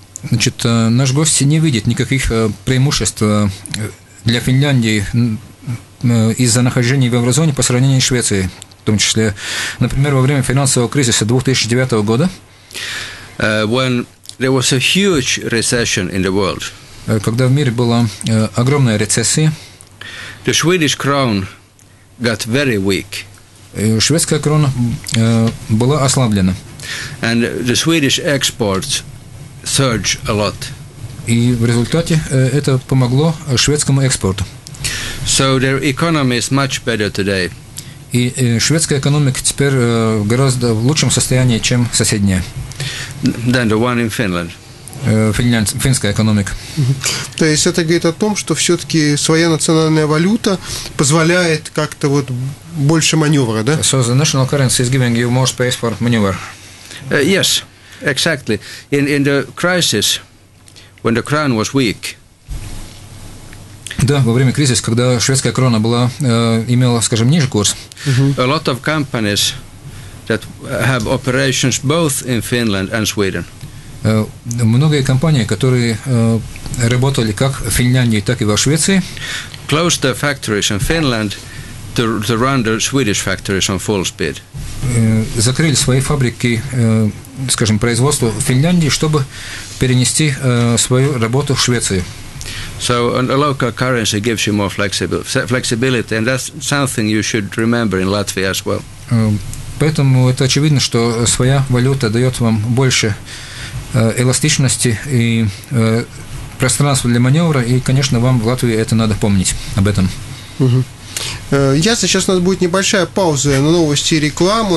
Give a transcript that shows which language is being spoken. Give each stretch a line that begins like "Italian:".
Russian: Значит, наш гость не видит никаких преимуществ для Финляндии из-за нахождения в еврозоне по сравнению с Швецией. В том числе, например, во время финансового кризиса 2009 года.
English: When there was a huge recession in the world.
Russian: Когда в мире была огромная рецессия.
English: The Swedish crown got very weak.
Russian: Шведская крона была ослаблена.
English: And the Swedish exports surged a lot.
Russian: И в результате это помогло шведскому экспорту.
English: So their economy is much better today.
Russian: И шведская экономика теперь гораздо в лучшем состоянии, чем соседняя.
English: Than the one in Finland.
Russian: Финская экономика. То есть это говорит о том, что все-таки своя национальная валюта позволяет как-то вот больше маневра, да?
English: So the national currency is giving you more space for maneuver. Yes, exactly. In the crisis, when the crown was weak.
Russian: Да, во время кризиса, когда шведская крона была имела, скажем, ниже курс.
English: A lot of companies that have operations both in Finland and Sweden.
Russian: Многие компании, которые работали как в Финляндии, так и во Швеции,
English: closed their factories in Finland to run the Swedish factories on full speed.
Russian: Закрыли свои фабрики, скажем, производство в Финляндии, чтобы перенести свою работу в Швецию.
English: So a local currency gives you more flexibility, and that's something you should remember in Latvia as well.
Russian: Поэтому это очевидно, что своя валюта дает вам больше эластичности и пространства для маневра, и, конечно, вам в Латвии это надо помнить об этом. Ясно, сейчас у нас будет небольшая пауза на новости и рекламу.